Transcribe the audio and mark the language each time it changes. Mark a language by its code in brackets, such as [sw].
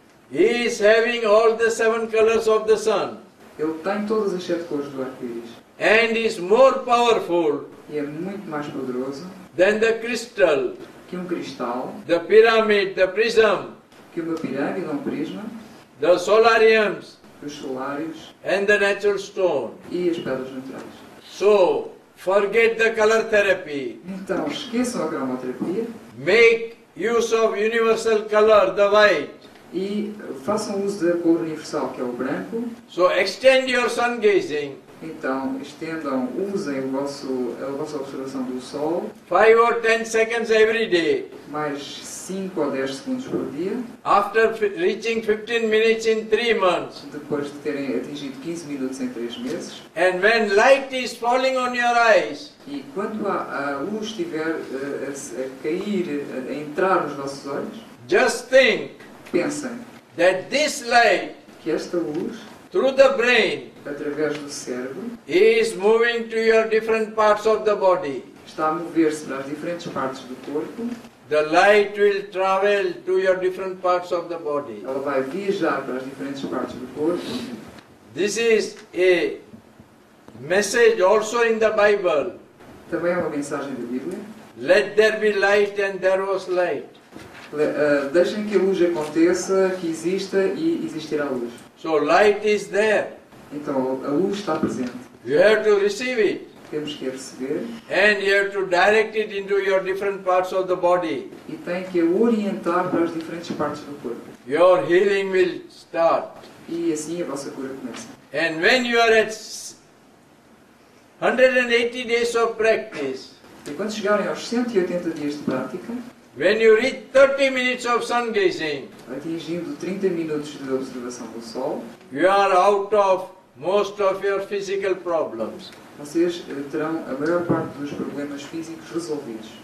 [en] Is having all the seven colors of the sun. [pt] Ele tem todas as sete cores do arco-íris. [en] And is more powerful. [pt] E é muito mais poderoso. [en] Than the crystal. [pt] Que um cristal. [en] The pyramid, the prism. [pt] Que uma pirâmide, um prisma. [en] The solariums. [pt] Os solários. [en] And the natural stone. [pt] E as pedras naturais. [en] So, forget the color therapy. [pt] Então, esqueçam a cromoterapia. [en] Make use of universal color, the white. [pt] E façam uso da cor universal, que é o branco. [en] So extend your sun gazing. [pt] Então, estendam, usem a vossa observação do sol. [en] 5 or 10 seconds every day. [pt] Mais 5 ou 10 segundos por dia. [en] After reaching 15 minutes in 3 months. [pt] Depois de terem atingido 15 minutos em 3 meses. [en] And when light is falling on your eyes. [pt] E quando a luz estiver a cair, a entrar nos vossos olhos. [en] Just think. [pt] Pensem [en] that this light, [pt] que esta luz, [en] through the brain, [pt] através do cérebro, [en] is moving to your different parts of the body. [pt] Está a mover-se nas diferentes partes do corpo. [en] The light will travel to your different parts of the body. [pt] Ela vai viajar para as diferentes partes do corpo. [en] This is a message also in the Bible. [pt] Também é uma mensagem da Bíblia. [en] Let there be light and there was light. [pt] Deixem que a luz aconteça, que exista e existirá a luz. [en] So light is there. [pt] Então a luz está presente. [en] You have to receive it. [pt] Temos que receber. [en] And you have to direct it into your different parts of the body. [pt] E tem que orientar para as diferentes partes do corpo. [en] Your healing will start. [pt] E assim a vossa cura começa. [en] And when you are at 180 days of practice. [pt] E quando chegarem aos 180 dias de prática. [en] When you reach 30 minutes of sun gazing, [pt] atingindo 30 minutos de observação do sol, [en] you are out of most of your physical problems. [pt] Vocês terão a maior parte dos problemas físicos resolvidos.